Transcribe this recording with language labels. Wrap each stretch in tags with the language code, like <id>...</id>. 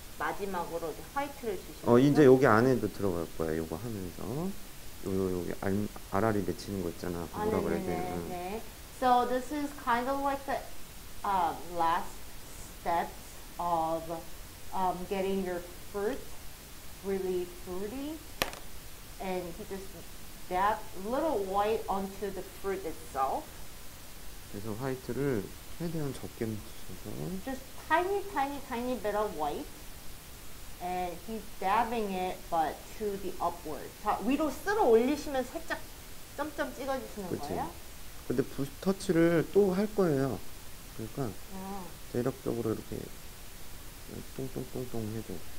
<ko>마지막으로 이제 화이트를 주시면 이제 여기 안에도 들어갈 거야. 요거 하면서 여기 알알이 맺히는 거 있잖아. 그거라 그래야 되나. 네.</ko> <en>So this is kind of like the last steps of getting your fruit really fruity. And he just dab little white onto the fruit itself.</en> <ko>그래서 화이트를 최대한 적게 묻혀서</ko> <en>just tiny bit of white. And he's dabbing it, but to the upward.</en> <ko>자, 위로 쓸어 올리시면 살짝 점점 찍어주시는 그치. 거예요? 근데 부스 터치를 또 할 거예요. 그러니까 대략적으로 이렇게 똥똥똥똥 해줘.</ko>